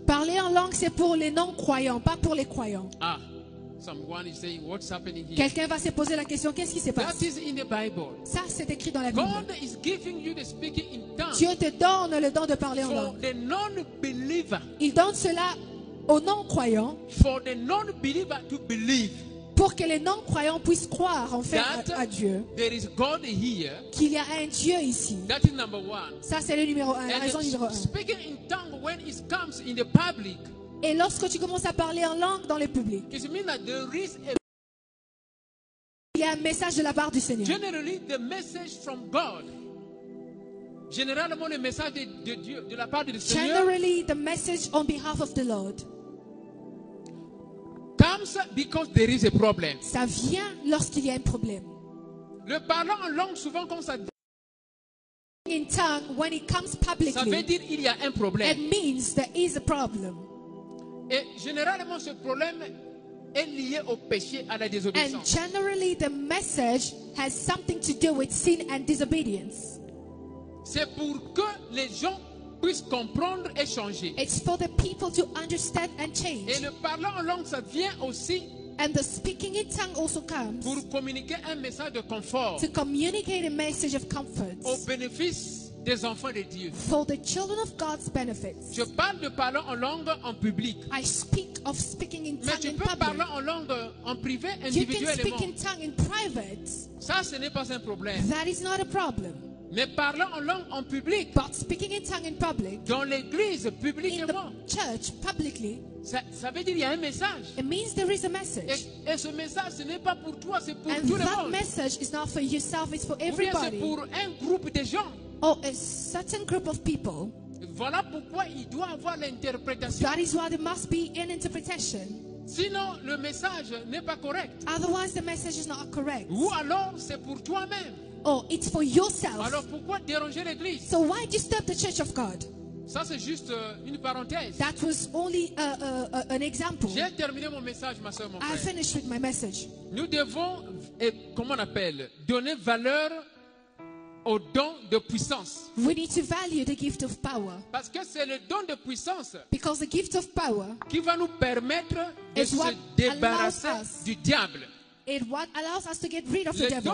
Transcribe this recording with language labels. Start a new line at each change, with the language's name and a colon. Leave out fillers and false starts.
French: Parler en langue, c'est pour les non-croyants, pas pour les croyants.
English: Ah, someone is saying, what's happening here?
French: Quelqu'un va se poser la question, qu'est-ce qui se passe?
English: That is in the Bible.
French: Ça, c'est écrit dans la Bible.
English: God is giving you the speaking in tongues.
French: Dieu te donne le don de parler
English: for
French: en langue.
English: The non-believer.
French: Il donne cela aux non-croyants.
English: For the non-believer to believe.
French: Pour que les non-croyants puissent croire en fait à Dieu,
English: there is God here,
French: qu'il y a un Dieu ici.
English: That is number one.
French: Ça, c'est le numéro un,
English: and
French: la raison numéro un.
English: Speaking in tongues when it comes in the public,
French: et lorsque tu commences à parler en langue dans le public,
English: it means that there is a,
French: il y a un message de la part du Seigneur.
English: Generally, the message from God.
French: Généralement, le message de Dieu, de la part du Seigneur.
English: Generally, the message on behalf of the Lord. Comes because there is a problem.
French: Ça vient lorsqu'il y a un problème. Le parlant en langue souvent quand ça.
English: In tongue when it comes publicly.
French: Ça veut dire il y a un problème.
English: It means there is a problem.
French: Et généralement ce problème est lié au péché à la désobéissance.
English: And generally the message has something to do with sin and disobedience.
French: C'est pour que les gens puissent comprendre et changer.
English: It's for the people to understand and change.
French: Et le parlant en langue ça vient aussi.
English: And the speaking in tongue also comes.
French: Pour communiquer un message de confort.
English: To communicate a message of comfort.
French: Au bénéfice des enfants de Dieu.
English: For the children of God's benefits.
French: Je parle de parlant en langue en public.
English: I speak of speaking in tongue in public.
French: Mais tu peux parler en langue en privé individuellement.
English: You can speak in tongue in private.
French: Ça ce n'est pas un problème.
English: That is not a problem.
French: Mais parlant en langue en public,
English: but speaking in tongue in public,
French: dans l'église publiquement,
English: in the church publicly,
French: ça veut dire il y a un message.
English: It means there is a message.
French: Et ce message, ce n'est pas pour toi, c'est pour
English: and
French: tout le monde.
English: And that message is not for yourself, it's for everybody.
French: Ou bien c'est pour un groupe de gens.
English: Or a certain group of people.
French: Voilà pourquoi il doit avoir l'interprétation.
English: That is why there must be an interpretation.
French: Sinon, le message n'est pas correct.
English: Otherwise, the message is not correct.
French: Ou alors, c'est pour toi-même.
English: Oh, it's for yourself.
French: Alors pourquoi déranger l'église?
English: So why disturb the church of God?
French: Ça c'est juste une parenthèse.
English: That was only an example.
French: J'ai terminé mon message, ma sœur, mon frère.
English: I finished with my message.
French: Nous devons, et comment on appelle, donner valeur au don de puissance.
English: We need to value the gift of power.
French: Parce que c'est le don de puissance.
English: Because the gift of power.
French: Qui va nous permettre de se débarrasser du diable.
English: It what allows us to get rid of the devil.